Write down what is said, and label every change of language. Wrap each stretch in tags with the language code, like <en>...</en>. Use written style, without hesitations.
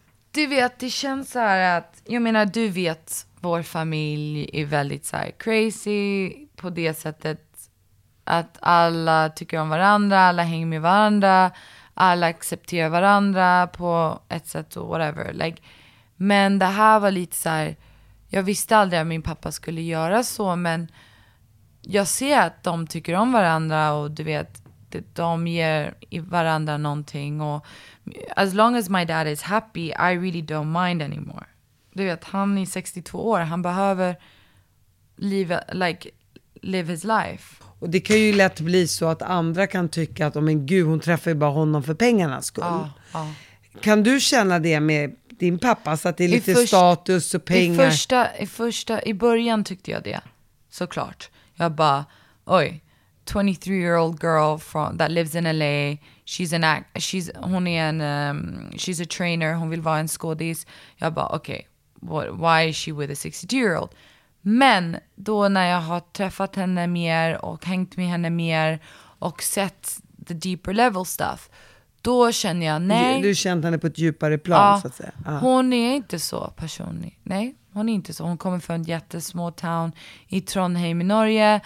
<sv>Du vet, det känns så här att, jag menar, du vet, vår familj är väldigt så här crazy på det sättet att alla tycker om varandra, alla hänger med varandra, alla accepterar varandra på ett sätt och whatever. Like, men det här var lite så här, jag visste aldrig att min pappa skulle göra så, men jag ser att de tycker om varandra och du vet, de ger varandra någonting.</sv> <en>Och as long as my dad is happy, I really don't mind anymore.</en> <sv>Du vet, han är 62 år, han behöver live his life. Och det kan ju lätt bli så att andra kan tycka att, oh, men gud, hon träffar ju bara honom för pengarnas skull. Ja. Kan du känna det med din pappa, så att det är lite status och pengar? I början tyckte jag det, såklart.</sv> <en>Jag bara, oj, 23-year-old girl from that lives in LA. She's a trainer.</en> <sv>Hon vill vara en skådis.</sv> <en>Jag bara, why is she with a 62-year-old?</en> <sv>Men då när jag har träffat henne mer och hängt med henne mer och sett the deeper level stuff, då känner jag, nej. Du kände henne på ett djupare plan, ja, så att säga. Ja. Hon är inte så personlig. Nej, hon är inte så. Hon kommer från en jättesmå town i Trondheim i Norge.</sv>